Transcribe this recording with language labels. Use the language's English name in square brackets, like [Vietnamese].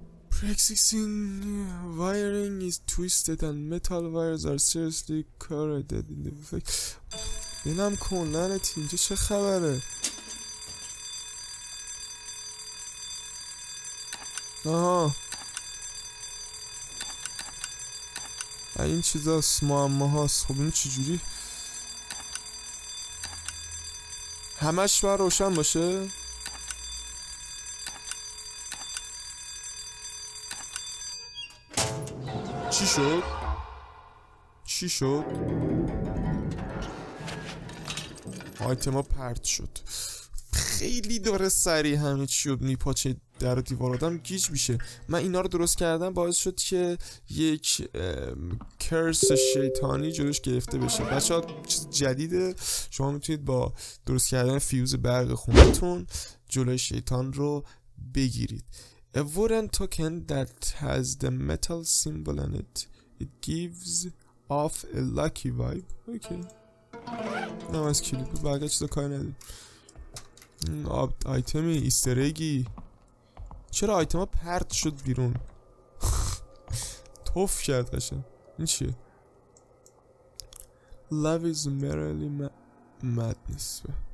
[English] Pre-existing wiring is twisted and metal wires are seriously corroded in the effect. [Persian] بینم کن لنتی اینجا چه خبره. آها این چیز هست معمه هست. خب این چجوری همش باید روشن باشه؟ چی شد؟ چی شد؟ آیتم ها پرت شد. خیلی داره سریع همه چی رو میپاچه در دیوار، آدم گیج میشه. من اینا رو درست کردم باعث شد که یک کرس شیطانی جلوش گرفته بشه. بچه ها چیز جدیده، شما میتونید با درست کردن فیوز برق خونتون جلوی شیطان رو بگیرید. [English] A wooden token that has the metal symbol on it. It gives off a lucky vibe. Okay. [Persian] نه از کلیپ برگه چیزا کار ندیم. آیتمی ایستر ایگی. چرا آیتم ها پرت شد بیرون؟ توف کرد قشن. این چیه؟ [English] Love is merely madness.